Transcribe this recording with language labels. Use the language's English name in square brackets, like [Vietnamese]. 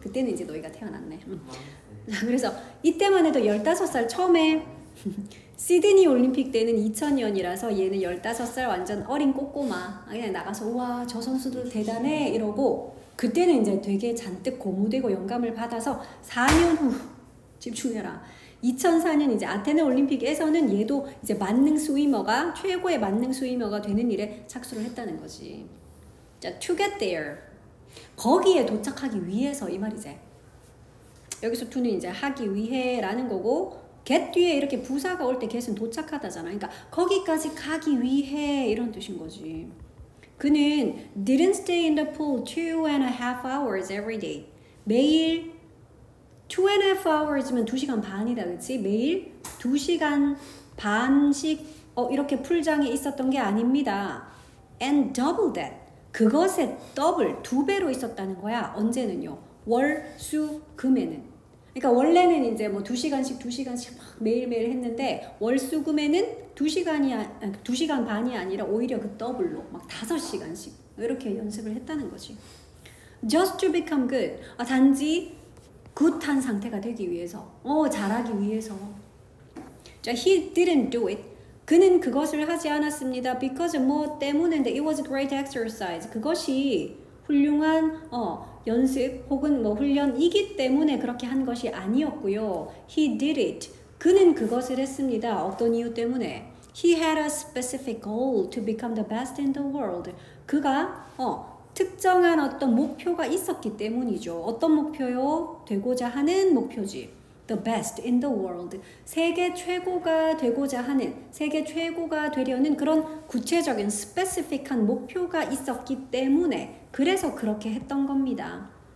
[Korean] 그때는 이제 너희가 태어났네. 자, 그래서 이때만 해도 15살 처음에 시드니 올림픽 때는 2000년이라서 얘는 15살 완전 어린 꼬꼬마 그냥 나가서 우와 저 선수들 대단해 이러고 그때는 이제 되게 잔뜩 고무되고 영감을 받아서 4년 후 집중해라 2004년 이제 아테네 올림픽에서는 얘도 이제 만능 스위머가 최고의 만능 스위머가 되는 일에 착수를 했다는 거지 자 [English] to get there [Korean] 거기에 도착하기 위해서 이 말이지 여기서 to는 이제 하기 위해 라는 거고 get 뒤에 이렇게 부사가 올 때 get은 도착하다잖아. 그러니까 거기까지 가기 위해 이런 뜻인 거지. 그는 [English] didn't stay in the pool 2.5 hours every day. [Korean] 매일 2.5 hours면 2시간 반이다. 그렇지? 매일 2시간 반씩 이렇게 풀장에 있었던 게 아닙니다. [English] And double that. [Korean] 그것의 더블, 두 배로 있었다는 거야. 언제는요? 월, 수, 금에는. 그러니까 원래는 이제 뭐 2시간씩 2시간씩 막 매일매일 했는데 월수금에는 2시간 반이 아니라 오히려 그 더블로 막 5시간씩 이렇게 연습을 했다는 거지. [English] Just to become good. [Korean] 아, 단지 굿한 상태가 되기 위해서. 잘하기 위해서. 자, [English] he didn't do it. [Korean] 그는 그것을 하지 않았습니다. [English] Because [Korean] 뭐 때문에 [English] it was a great exercise. [Korean] 그것이 훌륭한 연습 혹은 뭐 훈련이기 때문에 그렇게 한 것이 아니었고요. [English] He did it. [Korean] 그는 그것을 했습니다. 어떤 이유 때문에? [English] He had a specific goal to become the best in the world. [Korean] 그가 특정한 어떤 목표가 있었기 때문이죠. 어떤 목표요? 되고자 하는 목표지. [English] The best in the world. [Korean] 세계 최고가 되고자 하는, 세계 최고가 되려는 그런 구체적인 specific한 목표가 있었기 때문에 그래서 그렇게 했던 겁니다.